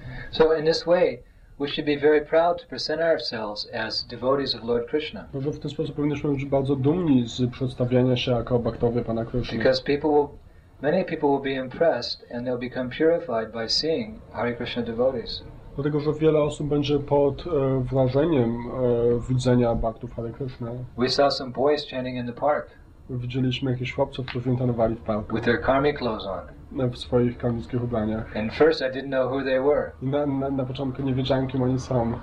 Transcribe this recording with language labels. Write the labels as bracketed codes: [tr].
[en] So in this way, we should be very proud to present ourselves as devotees of Lord Krishna. [pl] Może w ten sposób powinniśmy być bardzo dumni z przedstawiania się jako bhaktowie Pana Krishna. [en] Because many people will be impressed and they'll become purified by seeing Hare Krishna devotees. [pl] Dlatego, że wiele osób będzie pod wrażeniem widzenia bhaktów Hare Krishna. [en] We saw some boys chanting in the park. [pl] Widzieliśmy jakichś chłopców, którzy intonowali w parku. [en] With their karmic clothes on. [pl] W swoich karmickich ubraniach. [en] And first I didn't know who they were. [pl] Na początku nie wiedziałem, kim oni są.